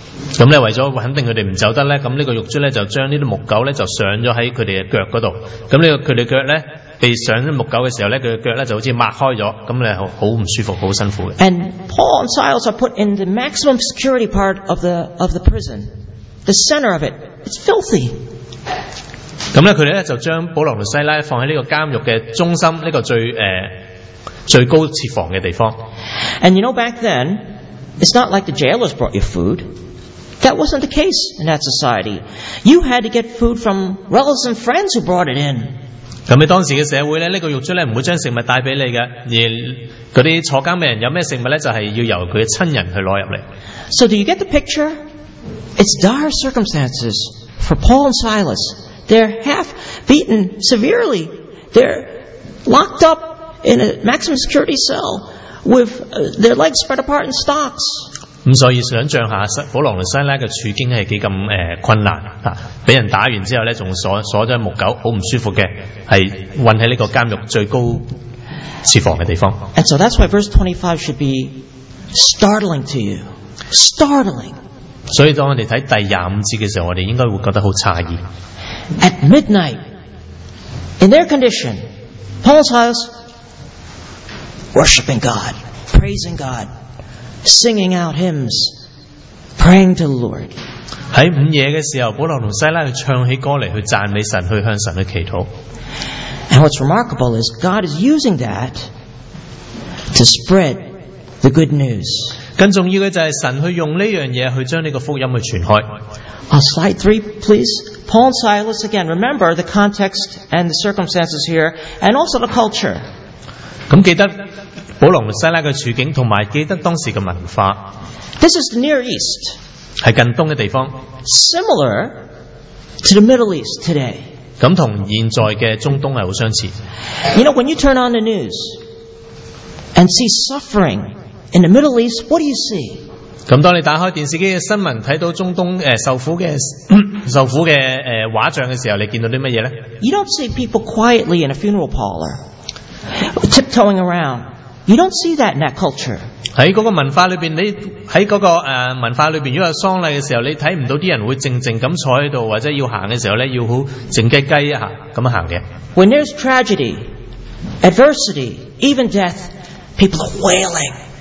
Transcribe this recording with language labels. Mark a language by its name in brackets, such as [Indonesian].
[Cantonese] 咁咧，为咗肯定佢哋唔走得咧，咁呢个狱卒咧就将呢啲木狗咧就上咗喺佢哋嘅脚嗰度。咁呢个佢哋脚咧被上木狗嘅时候咧，佢嘅脚咧就好似擘开咗，咁咧好唔舒服，好辛苦嘅。 [English] And Paul and Silas are put in the maximum security part of the prison, the center of it. It's filthy. [Cantonese] 咁咧，佢哋咧就将保罗同西拉放喺呢个监狱嘅中心，呢、这个最高设防嘅地方。 [English] And you know back then. It's not like the jailers brought you food. That wasn't the case in that society. You had to get food from relatives and friends who brought it in. [Cantonese] 咁喺當時嘅社會咧，呢個獄卒咧唔會將食物帶俾你嘅，而嗰啲坐監嘅人有咩食物咧，就係要由佢嘅親人去攞入嚟。 [English] So do you get the picture? It's dire circumstances for Paul and Silas. They're half beaten severely. They're locked up in a maximum security cell. With their legs spread apart in stocks. [Cantonese] 所以想象下保罗同西拉嘅处境系几咁困难啊！俾人打完之后咧，仲锁咗木狗，好唔舒服嘅，系困喺呢个监狱最高设防嘅地方。 [English] And so that's why verse 25 should be startling to you. Startling. [Cantonese] 所以当我哋睇第25节嘅时候，我哋应该会觉得好诧异。 [English] At midnight, in their condition, Paul's house. Worshipping God, praising God, singing out hymns, praying to the Lord. [Cantonese] 喺午夜嘅时候，保罗同西拉去唱起歌嚟，去赞美神，去向神去祈祷。 [English] And what's remarkable is God is using that to spread the good news. [Cantonese] 更重要嘅就系神去用呢样嘢去将呢个福音去传开。 [English] Slide 3, please. Paul and Silas again. Remember the context and the circumstances here, and also the culture. [Cantonese] 咁記得保羅西拉嘅處境，同埋記得當時嘅文化。 [English] This is the Near East， [Cantonese] 係近東嘅地方。 [English] Similar to the Middle East today， [Cantonese] 咁同現在嘅中東係好相似。 [English] You know when you turn on the news and see suffering in the Middle East， what do you see？ [Cantonese] 咁當你打開電視機嘅新聞，睇到中東受苦嘅畫像嘅時候，你見到啲乜嘢咧 [English] ？You don't see people quietly in a funeral parlor。 Tiptoeing around, you don't see that in that culture. [Cantonese] 喺嗰个文化里边，你喺嗰个文化里边，如果有丧礼嘅时候，你睇唔到啲人会静静咁坐喺度，或者要行嘅时候咧，要好静鸡鸡啊咁行嘅。 [English] When there's tragedy, adversity, even death, people are wailing.